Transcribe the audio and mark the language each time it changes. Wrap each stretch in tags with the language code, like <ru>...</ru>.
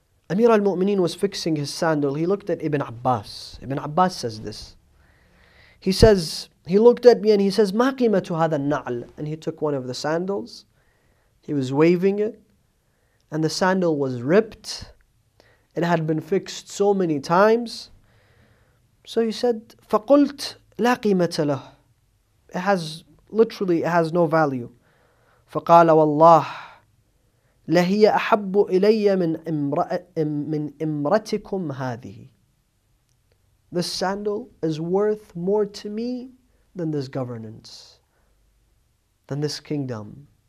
<en>Amir al-Mu'mineen was fixing his sandal, he looked at Ibn Abbas. Ibn Abbas says this. He says, he looked at me and he says,</en> <ar>مَا قِيمَةُ هَذَا النَّعْلِ.</ar> <en>And he took one of the sandals, he was waving it, and the sandal was ripped. It had been fixed so many times. So he said,</en> <ar>فَقُلْتْ لَا قِيمَةَ لَهُ.</ar> <en>It has, literally, it has no value.</en> <ar>فَقَالَ وَاللَّهِ لَهِيَ أَحَبُّ إِلَيَّ مِنْ إِمْرَتِكُمْ هَذِهِ.</ar> <en>This sandal is worth more to me than this governance, than this kingdom.</en>